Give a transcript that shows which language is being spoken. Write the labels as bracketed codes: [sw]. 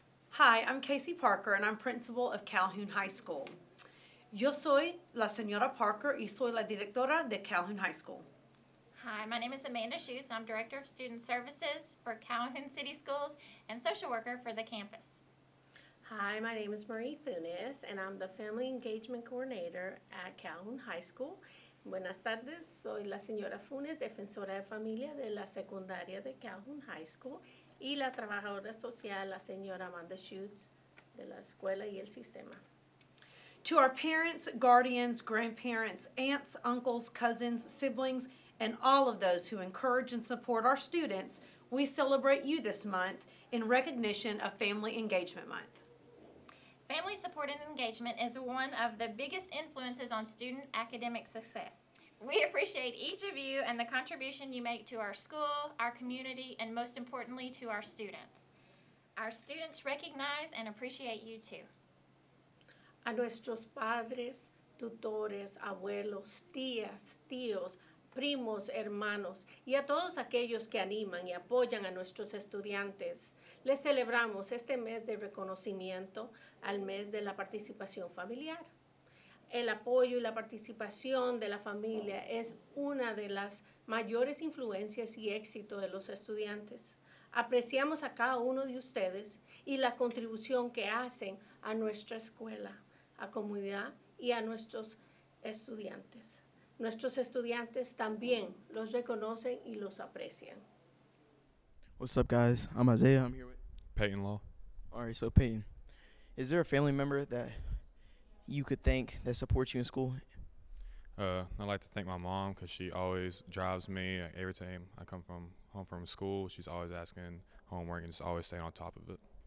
[en] Hi, I'm Casey Parker, and I'm principal of Calhoun High School. [es] Yo soy la señora Parker, y soy la directora de Calhoun High School. [en] Hi, my name is Amanda Shoes. I'm director of student services for Calhoun City Schools and social worker for the campus. Hi, my name is Marie Funes, and I'm the family engagement coordinator at Calhoun High School. [es] Buenas tardes, soy la señora Funes, defensora de familia de la secundaria de Calhoun High School. Y la trabajadora social, la señora Amanda Schutz, de la escuela y el sistema. [en] To our parents, guardians, grandparents, aunts, uncles, cousins, siblings, and all of those who encourage and support our students, we celebrate you this month in recognition of Family Engagement Month. Family support and engagement is one of the biggest influences on student academic success. We appreciate each of you and the contribution you make to our school, our community, and most importantly, to our students. Our students recognize and appreciate you too. [es] A nuestros padres, tutores, abuelos, tías, tíos, primos, hermanos, y a todos aquellos que animan y apoyan a nuestros estudiantes, les celebramos este mes de reconocimiento al mes de la participación familiar. El apoyo y la participación de la familia es una de las mayores influencias y éxito de los estudiantes. Apreciamos a cada uno de ustedes y la contribución que hacen a nuestra escuela, a comunidad y a nuestros estudiantes. Nuestros estudiantes también los reconocen y los aprecian. [en] What's up, guys? I'm Isaiah. I'm here with Peyton Law. All right, so Peyton, is there a family member that you could thank that supports you in school? I'd like to thank my mom because she always drives me. Every time I come from home from school, she's always asking homework and just always staying on top of it.